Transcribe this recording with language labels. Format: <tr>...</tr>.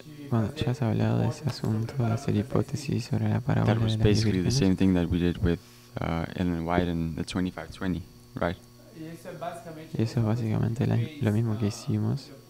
<es>Bueno, ya has hablado de ese asunto, de hacer hipótesis sobre la parábola de</es> <en>That was basically the same thing that we did with Ellen White and the 2520, right?</en> <es>Y eso es básicamente lo mismo que hicimos.</es>